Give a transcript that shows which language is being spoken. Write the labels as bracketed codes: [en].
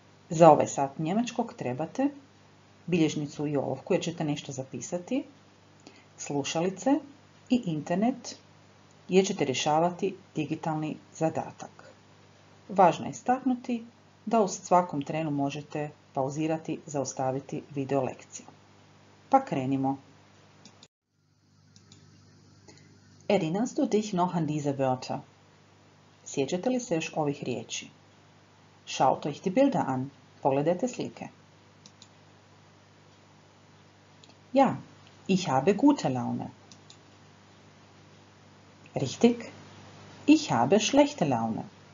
[hr] Za ovaj sat njemačkog trebate bilježnicu i olovku jer ćete nešto zapisati, slušalice i internet jer ćete rješavati digitalni zadatak. Važno je istaknuti da u svakom trenu možete pauzirati, zaustaviti video lekciju. Pa krenimo. [de] Erinnerst du dich noch an diese Wörter? [hr] Sjećate li se još ovih riječi? [de] Schaut euch die Bilder an. [hr] Pogledajte slike. [de] Ja, ich habe gute Laune. Richtig, ich habe schlechte Laune.